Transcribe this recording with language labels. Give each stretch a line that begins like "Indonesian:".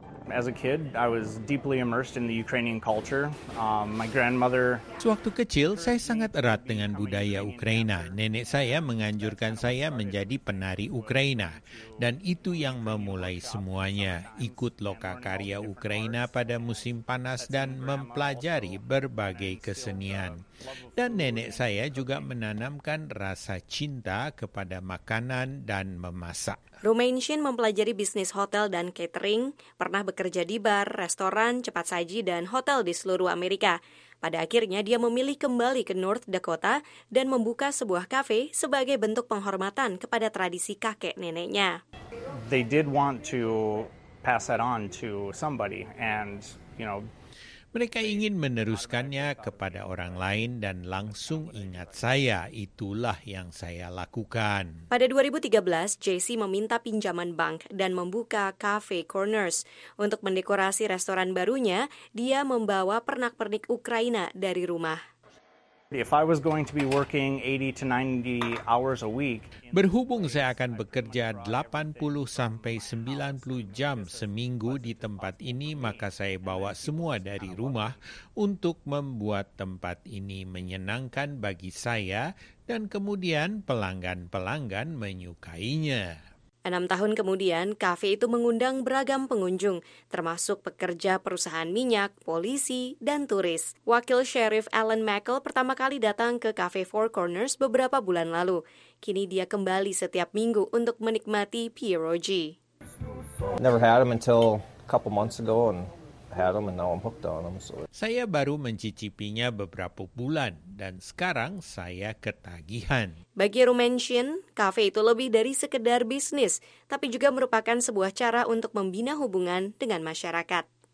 English: As a kid, I was deeply immersed in the Ukrainian culture. My grandmother.
Indonesian: Sewaktu kecil, saya sangat erat dengan budaya Ukraina. Nenek saya menganjurkan saya menjadi penari Ukraina, dan itu yang memulai semuanya. Ikut loka karya Ukraina pada musim panas dan mempelajari berbagai kesenian. Dan nenek saya juga menanamkan rasa cinta kepada makanan dan memasak. Rumenshin mempelajari bisnis hotel dan catering, pernah bekerja di bar, restoran, cepat saji, dan hotel di seluruh Amerika. Pada akhirnya, dia memilih kembali ke North Dakota dan membuka sebuah kafe sebagai bentuk penghormatan kepada tradisi kakek neneknya.
English: They did want to pass that on to somebody, and you know.
Indonesian: Mereka ingin meneruskannya kepada orang lain dan langsung ingat saya. Itulah yang saya lakukan. Pada 2013, JC meminta pinjaman bank dan membuka Cafe Corners. Untuk mendekorasi restoran barunya, dia membawa pernak-pernik Ukraina dari rumah.
English: If I was going to be working 80 to 90 hours a week.
Indonesian: Berhubung saya akan bekerja 80 sampai 90 jam seminggu di tempat ini, maka saya bawa semua dari rumah untuk membuat tempat ini menyenangkan bagi saya dan kemudian pelanggan-pelanggan menyukainya. 6 tahun kemudian, kafe itu mengundang beragam pengunjung, termasuk pekerja perusahaan minyak, polisi, dan turis. Wakil Sheriff Alan Mackel pertama kali datang ke kafe Four Corners beberapa bulan lalu. Kini dia kembali setiap minggu untuk menikmati pierogi.
English: Never had them until a couple months ago and had them and now I'm hooked on them. So.
Indonesian: Saya baru mencicipinya beberapa bulan dan sekarang saya ketagihan. Bagi Rumenshin, kafe itu lebih dari sekedar bisnis, tapi juga merupakan sebuah cara untuk membina hubungan dengan masyarakat.